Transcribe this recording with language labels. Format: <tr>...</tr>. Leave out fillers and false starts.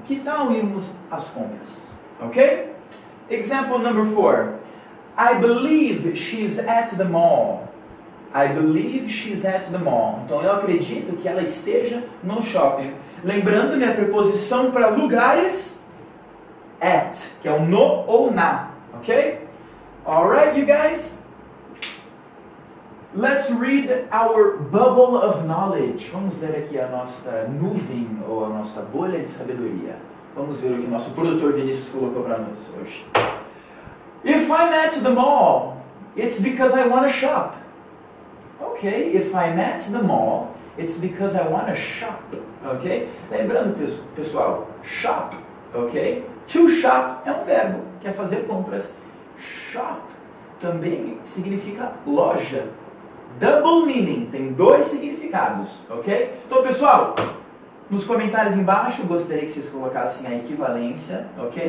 <pt>Que tal irmos às compras? Ok?</pt> <en>Example number four. I believe she's at the mall. I believe she's at the mall.</en> <pt>Então eu acredito que ela esteja no shopping. Lembrando minha preposição para lugares, at, que é o no ou na, ok?</pt> <en>Alright, you guys, let's read our bubble of knowledge.</en> <pt>Vamos ler aqui a nossa nuvem, ou a nossa bolha de sabedoria. Vamos ver o que o nosso produtor Vinícius colocou para nós hoje.</pt> <en>If I'm at the mall, it's because I want to shop. Ok, if I'm at the mall, it's because I want to shop.</en> <pt>Ok, lembrando, pessoal, shop, ok? To shop é um verbo, quer fazer compras. Shop também significa loja.</pt> <en>Double meaning,</en> <pt>tem dois significados, ok? Então, pessoal, nos comentários embaixo, gostaria que vocês colocassem a equivalência, ok?</pt>